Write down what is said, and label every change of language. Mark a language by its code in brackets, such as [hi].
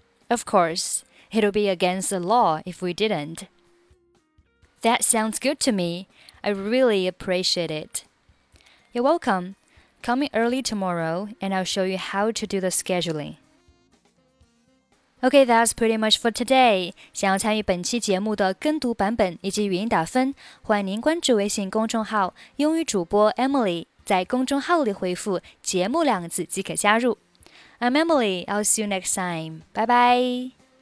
[en] Of course, it'll be against the law if we didn't. That sounds good to me. I really appreciate it. You're welcome. Call me early tomorrow and I'll show you how to do the scheduling. Okay, that's pretty much for today. [zh] 想要参与本期节目的跟读版本以及语音打分，欢迎您关注微信公众号英语主播 Emily。在公众号里回复节目两个字即可加入。 [en] I'm Emily, I'll see you next time. Bye bye!